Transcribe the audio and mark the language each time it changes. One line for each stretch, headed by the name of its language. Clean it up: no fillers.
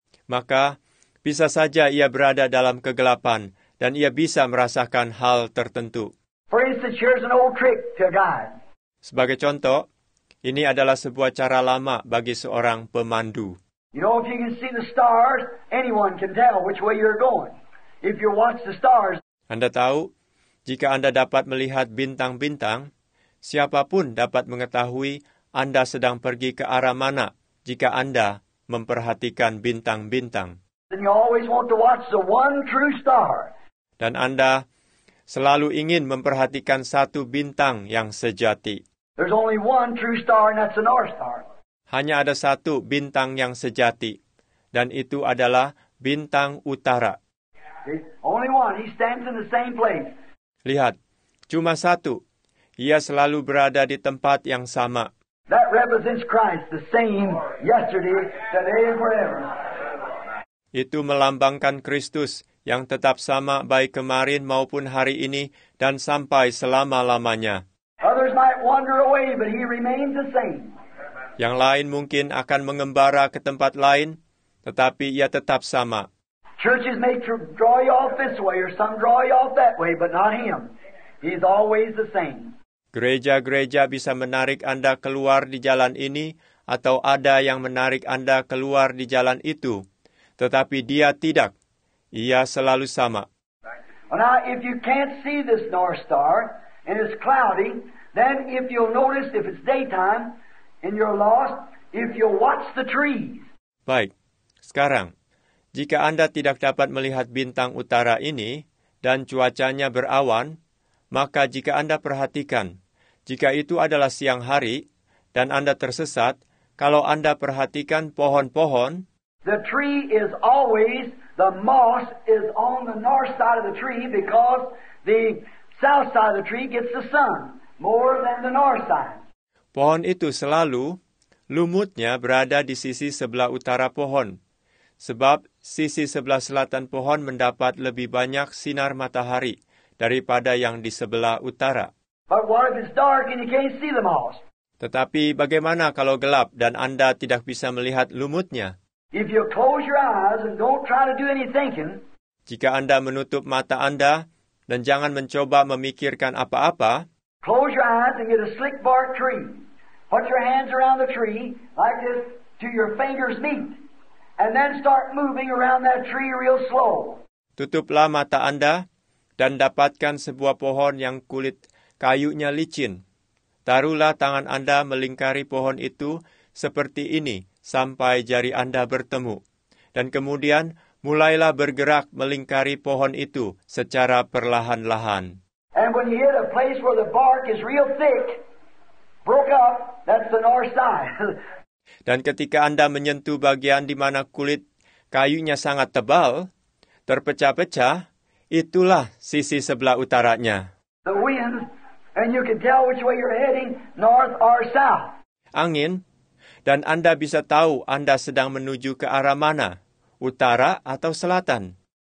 Indonesian: Maka, bisa saja ia berada dalam kegelapan dan ia bisa merasakan hal tertentu.
English: For instance, here's an old trick to a guide.
Indonesian: Sebagai contoh, ini adalah sebuah cara lama bagi seorang pemandu.
English: You know, if you can see the stars, anyone can tell which way you're going. If you watch the stars.
Indonesian: Anda tahu, jika Anda dapat melihat bintang-bintang, siapapun dapat mengetahui Anda sedang pergi ke arah mana jika Anda memperhatikan bintang-bintang.
English: And you always want to watch the one true star.
Indonesian: Dan Anda selalu ingin memperhatikan satu bintang yang sejati.
English: There's only one true star, and that's the North Star.
Indonesian: Hanya ada satu bintang yang sejati, dan itu adalah bintang utara.
English: Only one. He stands in the same place.
Indonesian: Lihat, cuma satu. Ia selalu berada di tempat yang sama.
English: That represents Christ, the same yesterday, today, and forever.
Indonesian: Itu melambangkan Kristus yang tetap sama baik kemarin maupun hari ini dan sampai selama-lamanya.
English: Others might wander away, but he remains the same.
Indonesian: Yang lain mungkin akan mengembara ke tempat lain, tetapi ia tetap sama.
English: Churches may draw you off this way or some draw you off that way, but not him. He's always the same.
Indonesian: Gereja-gereja bisa menarik Anda keluar di jalan ini atau ada yang menarik Anda keluar di jalan itu, tetapi dia tidak. Ia selalu sama.
English: Now, if you can't see this North Star and it's cloudy, then if you'll notice if it's daytime and you're lost, if you'll watch the trees.
Indonesian: Baik. Sekarang, jika Anda tidak dapat melihat bintang utara ini dan cuacanya berawan, maka jika Anda perhatikan, jika itu adalah siang hari dan Anda tersesat, kalau Anda perhatikan pohon-pohon,
English: the tree is always the moss is on the north side of the tree because the south side of the tree gets the sun more than the north side.
Indonesian: Pohon itu selalu lumutnya berada di sisi sebelah utara pohon sebab sisi sebelah selatan pohon mendapat lebih banyak sinar matahari daripada yang di sebelah utara.
English: But what if it's dark and you can't see the moss?
Indonesian: Tetapi bagaimana kalau gelap dan Anda tidak bisa melihat lumutnya?
English: If you close your eyes and don't try to do any thinking,
Indonesian: jika Anda menutup mata Anda dan jangan mencoba memikirkan apa-apa,
English: close your eyes and get a slick bark tree. Put your hands around the tree like this till your fingers meet, and then start moving around that tree real slow.
Indonesian: Tutuplah mata Anda dan dapatkan sebuah pohon yang kulit kayunya licin. Taruhlah tangan Anda melingkari pohon itu seperti ini sampai jari Anda bertemu. Dan kemudian, mulailah bergerak melingkari pohon itu secara perlahan-lahan.
English: And when you hit a place where the bark is real thick, broke up, that's the north side.
Indonesian: Dan ketika Anda menyentuh bagian di mana kulit kayunya sangat tebal, terpecah-pecah, itulah sisi sebelah utaranya.
English: The wind, and you can tell which way you're heading, north or south.
Indonesian: Angin, dan Anda bisa tahu Anda sedang menuju ke arah mana, utara atau selatan.